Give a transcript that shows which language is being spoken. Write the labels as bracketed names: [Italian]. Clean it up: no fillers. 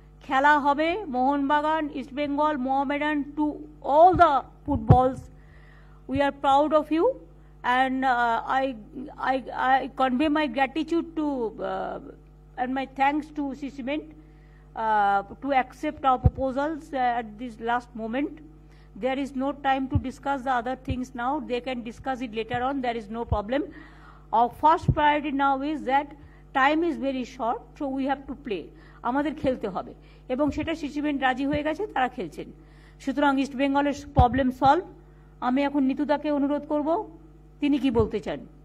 [Bangla] খেলা হবে [English] Mohun Bagan East Bengal Mohammedan to all the footballs, we are proud of you and I convey my gratitude to and my thanks to সিসিমেন্ট to accept our proposals at this last moment. There is no time to discuss the other things now. They can discuss it later on. There is no problem. Our first priority now is that time is very short, so we have to play. [Bangla] আমাদের খেলতে হবে এবং সেটা সিসিমেন রাজি হয়ে গেছে, তারা খেলছেন। সুতরাং ইস্ট বেঙ্গলের প্রবলেম সলভ। আমি এখন নিতুদাকে অনুরোধ করব, তিনি কি বলতে চান।